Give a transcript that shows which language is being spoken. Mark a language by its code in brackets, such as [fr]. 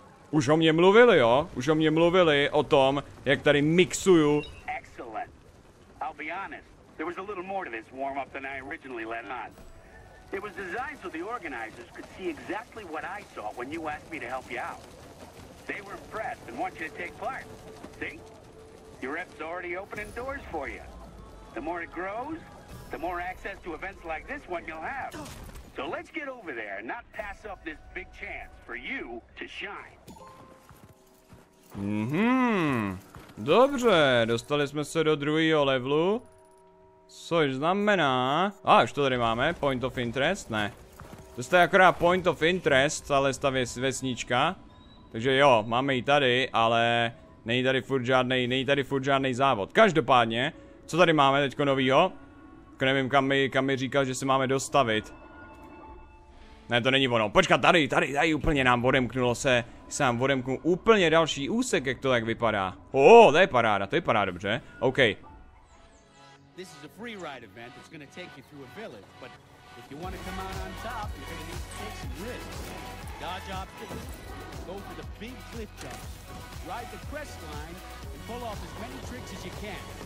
[cs] Už o mě mluvili o tom, jak tady mixuju [en] I'll be honest. There was a little more to this warm-up than I originally let on. It was designed so the organizers could see exactly what I saw when you asked me to help you out. They were impressed and want you to take part. See? Your rep's already opening doors for you. The more it grows, the more access to events like this one you'll have. So let's get over there and not pass up this big chance for you to shine. [cs] Dobře, dostali jsme se do druhého levelu. Což znamená... A, už to tady máme, [en] point of interest, [cs] ne. To je akorát point of interest, ale stavě vesnička. Takže jo, máme ji tady, ale není tady furt žádnej závod. Každopádně, co tady máme teďko novýho? Tak nevím, kam mi říkal, že se máme dostavit. Ne, to není ono, počkat, tady úplně nám odemknulo se. Sám odemknul úplně další úsek, jak to tak vypadá. Oh, to je paráda, to vypadá dobře, okej. [en] Okay. This is a free ride event that's going to take you through a village, but if you want to come out on top, you're going to need to take some risks. Dodge obstacles, go for the big cliff jumps, ride the crest line, and pull off as many tricks as you can.